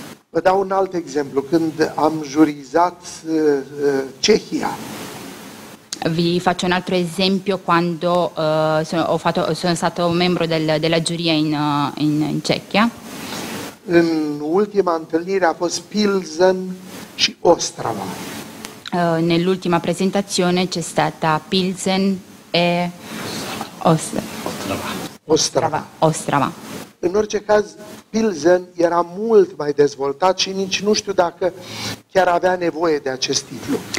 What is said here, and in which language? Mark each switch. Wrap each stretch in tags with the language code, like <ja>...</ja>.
<ro>Vă dau un alt exemplu, când am jurizat Cehia.</ro> <it>Vi faccio un altro esempio quando sono stato membro della giuria in Cechia.</it> <ro>În ultima întâlnire a fost Pilsen și Ostrava.</ro> <it>Nell'ultima presentazione c'è stata Pilsen e Ostrava.</it> <ro>În orice caz, Pilsen era mult mai dezvoltat și nici nu știu dacă chiar avea nevoie de acest titlu.</ro>